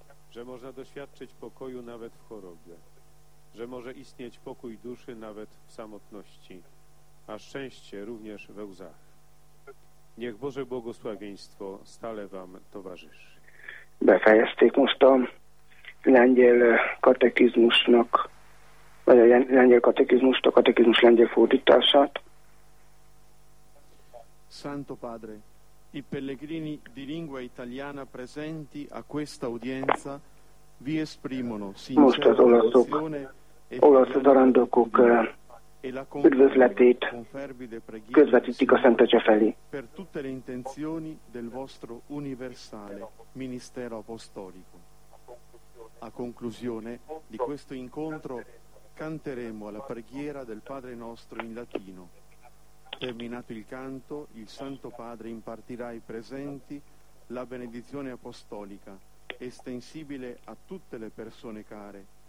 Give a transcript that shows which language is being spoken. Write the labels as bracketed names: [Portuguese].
[Polish] Że można doświadczyć pokoju nawet w chorobie, że może istnieć pokój duszy nawet w samotności, a szczęście również we łzach. Niech Boże błogosławieństwo stale wam towarzyszy. [Hungarian] Befejezték most a lengyel katekizmusnak, vagy a lengyel katekizmust, a katekizmus lengyel fordítását. [Italian] Santo Padre, i pellegrini di lingua italiana presenti a questa udienza vi esprimono sincera devozione e [Hungarian] olasz zarándokok üdvözletét közvetítik a Szent Atya felé. [Italian] Per tutte le intenzioni del vostro universale ministero apostolico. A conclusione di questo incontro canteremo la preghiera del Padre nostro in latino. Terminato il canto, il Santo Padre impartirà ai presenti la benedizione apostolica, estensibile a tutte le persone care.